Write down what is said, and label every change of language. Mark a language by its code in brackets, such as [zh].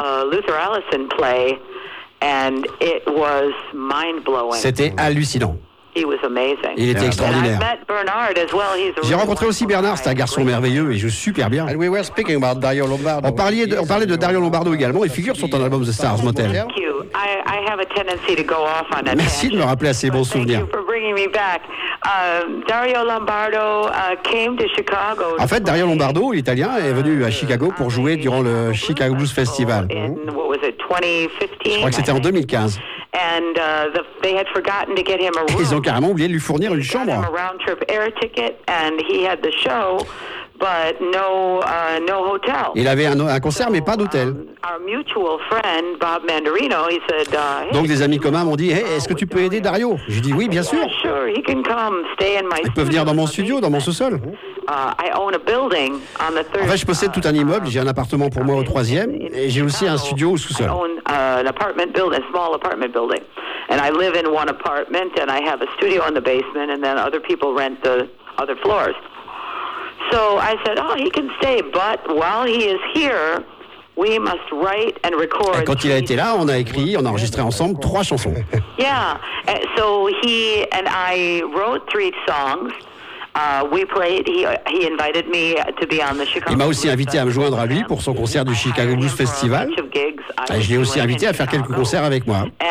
[en] Luther Allison play, and it was mind-blowing. [fr] C'était hallucinant. [en] He was amazing. [fr] Il était extraordinaire. [en] And I met Bernard as well. He's a [fr] J'ai rencontré aussi Bernard, c'est un garçon merveilleux, et joue super bien. [en] And we were speaking about Dario Lombardo. [fr] On parlait de Dario Lombardo également, et figure sur ton album The Stars Motel. [en] Thank you. I have a tendency to go off on that. [fr] Merci de me rappeler à ces bons souvenirs. [en] Thank you for bringing me back. Dario Lombardo came to Chicago. [fr] En fait, Dario Lombardo, l'Italien, est venu à Chicago pour jouer durant le Chicago Blues Festival. [en] What was it, 2015? [fr] Je crois que c'était en 2015. [en] They had forgotten to get him a room. [fr] Ils ont carrément oublié de lui fournir une chambre. [en] He had a round trip air ticket, and he had the show, but no hotel. [fr] Il avait un concert, mais pas d'hôtel. [en] Our mutual friend Bob Mandarino, he said. [fr] Donc des amis communs m'ont dit, hey, est-ce que tu peux aider Dario? Je dis oui, bien sûr. [en] Sure, he can come, stay in my. [fr] Il peut venir dans mon studio, dans mon sous-sol. [en] I own a building on the third. [fr] En fait, je possède tout un immeuble. J'ai un appartement pour moi au troisième, et j'ai aussi un studio au sous-sol. [en] I own an apartment building, a small apartment building, and I live in one apartment, and I have a studio in the basement, and then other people rent the other floors. So I said, oh, he can stay, but while he is here, we must write and record. [fr] Et quand il a été là, on a écrit, on a enregistré ensemble 3 chansons. [en] Yeah, so he and I wrote 3 songs. He invited me to be on the Chicago. [fr] Il m'a aussi invité à me joindre à lui pour son concert du Chicago Blues Festival. Et je l'ai aussi invité à faire quelques concerts avec moi.